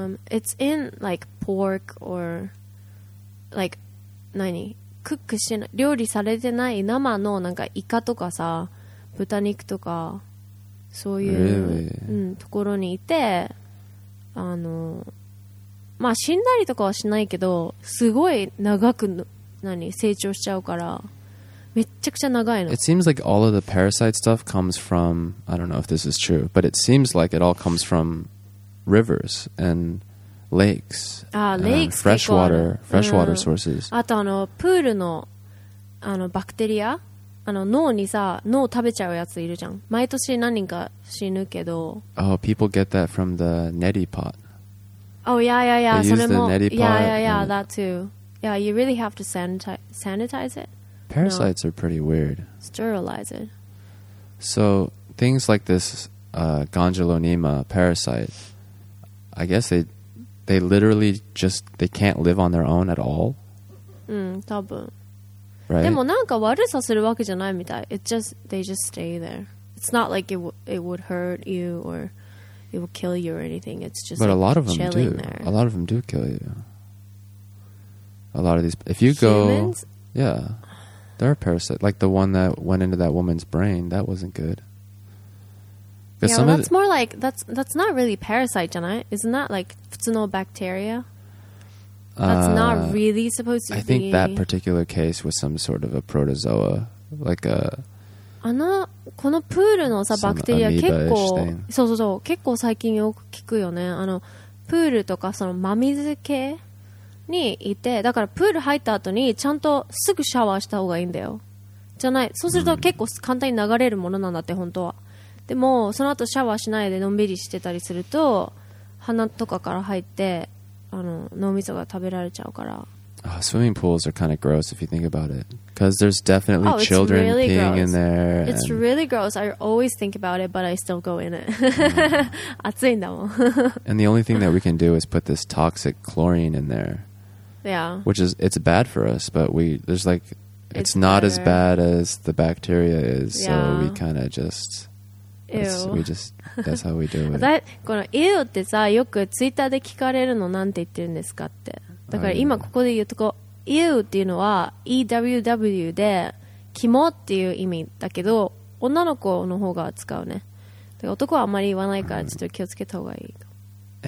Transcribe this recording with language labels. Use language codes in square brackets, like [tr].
[en] It's in like pork or like [ja] 何クックしない料理されてない生のなんかイカとかさ豚肉とかそういう、 [en] really? [ja] うん、ところにいて、まあ死んだりとかはしないけどすごい長く何成長しちゃうからめっちゃくちゃ長いの。 [en] It seems like all of the parasite stuff comes from, I don't know if this is true, but it seems like it all comes from rivers and lakes. Lakes freshwater sources. [ja] あとプールのバクテリア、脳にさ、脳食べちゃうやついるじゃん。毎年何人か死ぬけど。 [en] Oh, people get that from the neti pot. Oh, yeah, yeah, yeah. They use the neti pot. Yeah, yeah, yeah, that too. Yeah, you really have to sanitize it. Parasites are pretty weird. Sterilize it. So, things like this gondolinema parasite, I guess they literally just, they can't live on their own at all? [ja] うん、多分。 [en] Right? [ja] でもなんか悪さするわけじゃないみたい。 [en] It's just, they just stay there. It's not like it would hurt you or it would kill you or anything. It's just But like a lot of chilling them do. There. A lot of them do kill you. A lot of these, if you go, humans? Yeah, they're a parasite. Like the one that went into that woman's brain, that wasn't good. Yeah, well, that's more like, that's not really parasite, isn't that like [ja] 普通の [en] bacteria? That's not really supposed to be. I think that particular case was some sort of a protozoa, like a... [ja] このプールのさ、バクテリア結構、そうそうそう、結構最近よく聞くよね。プールとかその真水系にいて、だからプール入った後にちゃんとすぐシャワーした方がいいんだよ。じゃない、そうすると結構簡単に流れるものなんだって本当は。でもその後シャワーしないでのんびりしてたりすると鼻とかから入って脳みそが食べられちゃうから。 [en] Oh, swimming pools are kind of gross if you think about it, because there's definitely children peeing in there. It's really gross. I always think about it, but I still go in it. [ja] 暑いんだもん。 [en] And the only thing that we can do is put this toxic chlorine in there. Yeah. Which is, it's bad for us, but we, there's like, it's not as bad as the bacteria is, so we kind of just... That's how we do it. [ja] このエオってさ、よくツイッターで聞かれるのなんて言ってるんですかって。だから今ここで言うとこ、エオっていうのは EWW でキモっていう意味だけど、女の子の方が使うね。だから男はあまり言わないからちょっと気をつけた方がいい。